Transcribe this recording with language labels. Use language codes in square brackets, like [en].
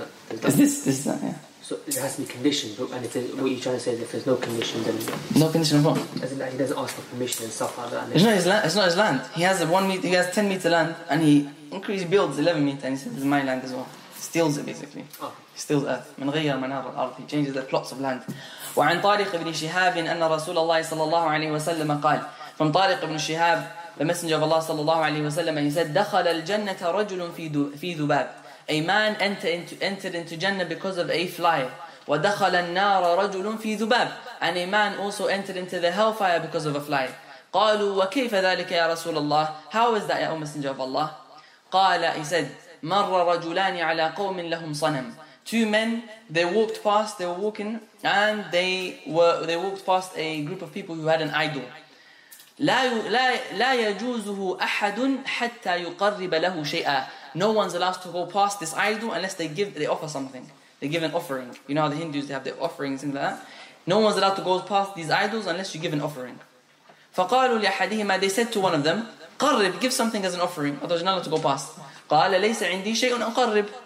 [en] that. Is this? So it has to be conditioned. And if what you're trying to say is, if there's no condition, then no condition of what? As in, like, he doesn't ask for permission and stuff like that. And it's not his land. He has 1 meter. He has 10 meter land, and he increases, builds 11 meter, and he says, "This is my land as well." Steals it basically. Oh. Steals earth. [ar] من غير منار الأرض. [en] He changes the plots of land. [ar] وعن طارق بن شهاب أن رسول الله صلى الله عليه وسلم قال. [en] From [ar] طارق بن شهاب, [en] the messenger of Allah [ar] صلى الله عليه وسلم, [en] he said, [ar] دخل الجنة رجل في ذباب. [en] A man entered into Jannah because of a fly. [ar] ودخل النار رجل في ذباب. [en] And a man also entered into the hellfire because of a fly. [ar] قالوا وكيف ذلك يا رسول الله? [en] How is that, O Messenger of Allah? [ar] قال, [en] he said, [ar] مر رجلان على قوم لهم صنم. [en] Two men, they walked past. They were walking, and they walked past a group of people who had an idol. [ar] لا يجوزه أحد حتى يقرب له شيئا. [en] No one's allowed to go past this idol unless they offer something. They give an offering. You know how the Hindus, they have their offerings and that. No one's allowed to go past these idols unless you give an offering. [ar] فقالوا لأحدهما, [en] they said to one of them, [ar] قرب, [en] give something as an offering. Otherwise, you're not allowed to go past. [ar] قال ليس عندي شيء أقرب.